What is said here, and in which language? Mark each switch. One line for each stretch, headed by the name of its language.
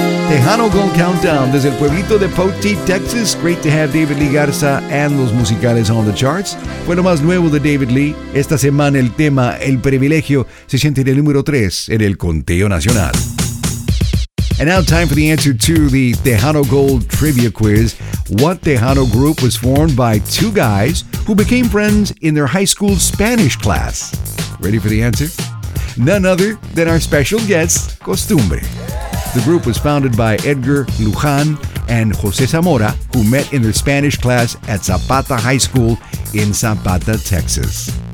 Spanish: Tejano Gold Countdown desde el pueblito de Poteet, Texas.
English: Great to have David Lee Garza and Los Musicales on the charts.
Spanish: Fue lo más nuevo de David Lee. Esta semana el tema El Privilegio se siente en el número 3 en el conteo nacional.
English: And now time for the answer to the Tejano Gold Trivia Quiz. What Tejano group was formed by two guys who became friends in their high school Spanish class? Ready for the answer? None other than our special guest, Costumbre. The group was founded by Edgar Luján and José Zamora, who met in their Spanish class at Zapata High School in Zapata, Texas.